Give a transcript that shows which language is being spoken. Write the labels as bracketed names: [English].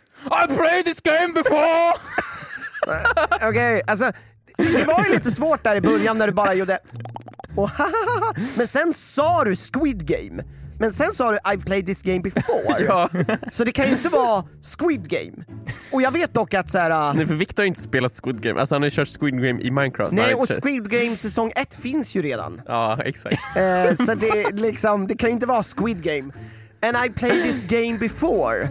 [English] I played this game before! [Swedish] Okej, alltså det var ju lite svårt där i början när du bara gjorde men sen sa du squid game. Men sen sa du [English] I've played this game before. [Swedish] Ja. Så det kan ju inte vara squid game. Och jag vet dock att så här, nej, för Victor har inte spelat squid game. Alltså han har kört squid game i Minecraft. Nej, och squid game säsong 1 finns ju redan. Ja, exakt. Så det liksom, det kan inte vara squid game. [English] And I played this game before.